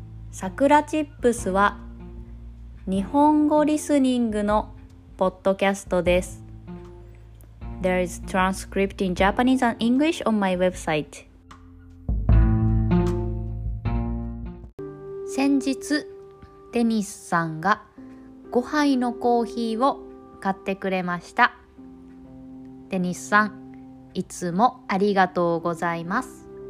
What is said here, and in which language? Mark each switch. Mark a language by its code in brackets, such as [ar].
[ja] さくらチップスは日本語リスニングのポッドキャストです。 [en] There is transcript in Japanese and English on my website。 [ja] 先日デニスさんが5杯のコーヒーを買ってくれました。デニスさん、いつもありがとうございます。